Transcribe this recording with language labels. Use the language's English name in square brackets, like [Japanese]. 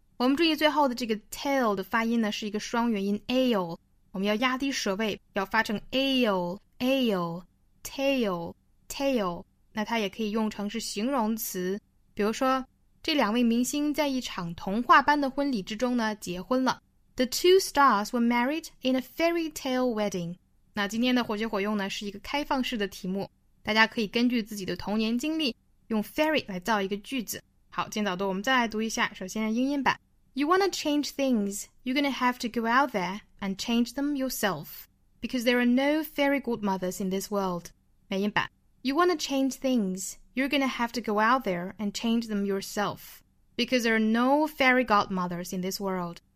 [Chinese] 我们注意最后的这个 tale 的发音呢，是一个双元音 ale。我们要压低舌位，要发成 ale, tale, tale, 那它也可以用成是形容词，比如说这两位明星在一场童话般的婚礼之中呢结婚了。 [English] The two stars were married in a fairy tale wedding. [Chinese] 那今天的活学活用呢是一个开放式的题目，大家可以根据自己的童年经历用 fairy 来造一个句子。好，今天早读我们再来读一下，首先是英音版。 [English] You wanna change things, you're gonna have to go out there and change them yourself, because there are no fairy godmothers in this world. [Chinese] 美音版。 [English] You want to change things, you're going to have to go out there and change them yourself, because there are no fairy godmothers in this world.